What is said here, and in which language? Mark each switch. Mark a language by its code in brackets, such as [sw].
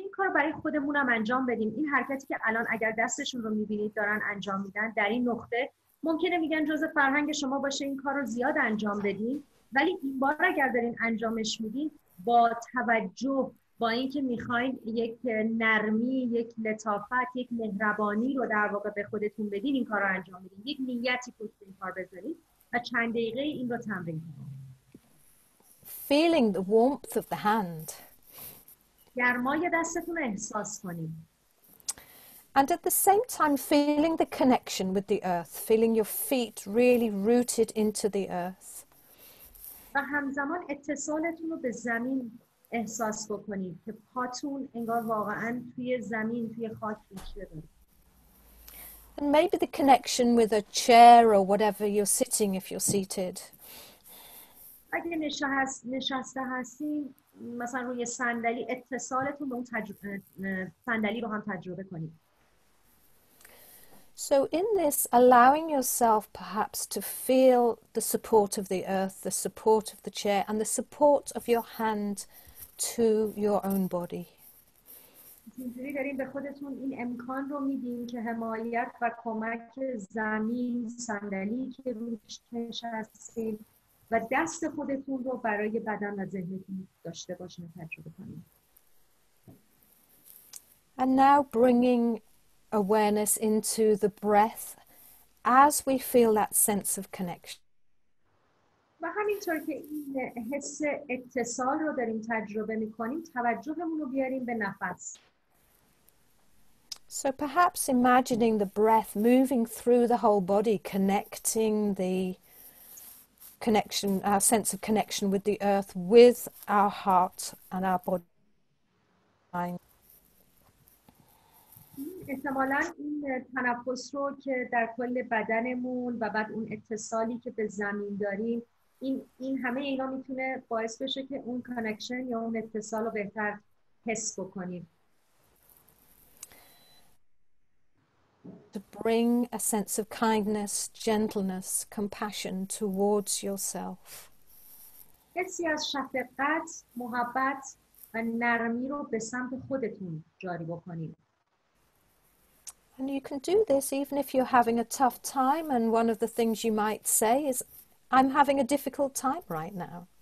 [fa] این کار برای خودمون هم انجام بدیم. این حرکتی که الان اگر دستشون رو میبینید دارن انجام میدن در این نقطه ممکنه میگن جزء فرهنگ شما باشه این کار رو زیاد انجام بدین، ولی این بار اگر دارین انجامش میدین با توجه با اینکه میخواین یک نرمی، یک لطافت، یک مهربانی رو در واقع به خودتون بدین این کار رو انجام میدین، یک نیتی پشت این کار بذارین و چند دقیقه این رو تمرین کنید. [en] Feeling the warmth of the hand. [fa] گرمای دستتون احساس کنید. [en] And at the same time, feeling the connection with the earth, feeling your feet really rooted into the earth. [fa] و همزمان اتصالتون رو به زمین احساس بکنید که پاتون انگار واقعا توی زمین توی خاک میشه. [en] And maybe the connection with a chair or whatever you're sitting, if you're seated. [fa] اگه نشسته هستین مثلا روی صندلی اتصالتون به اون صندلی رو هم تجربه کنید. [en] So in this, allowing yourself perhaps to feel the support of the earth, the support of the chair, and the support of your hand to your own body. [fa] اینجوری داریم به خودتون این امکان رو میدیم که حمایت و کمک زمین، صندلی که روش نشستید و دست خودتون رو برای بدن و ذهنتون داشته باشین تجربه کنید. [en] And now bringing awareness into the breath as we feel that sense of connection. [fa] و همینطور که این حس اتصال رو داریم تجربه میکنیم توجهمون رو بیاریم به نفس. [en] So perhaps imagining the breath moving through the whole body, connecting the connection, our sense of connection with the earth, with our heart and our body, mind. [fa] احتمالاً این تنفس رو که در کل بدنمون و بعد اون اتصالی که به زمین داریم این همه اینا میتونه باعث بشه که اون کانکشن یا اون اتصال رو بهتر حس بکنیم. [en] To bring a sense of kindness, gentleness, compassion towards yourself. [fa] حسی از شفقت، محبت و نرمی رو به سمت خودتون جاری بکنیم. [en] And you can do this even if you're having a tough time, and one of the things you might say is, I'm having a difficult time right now.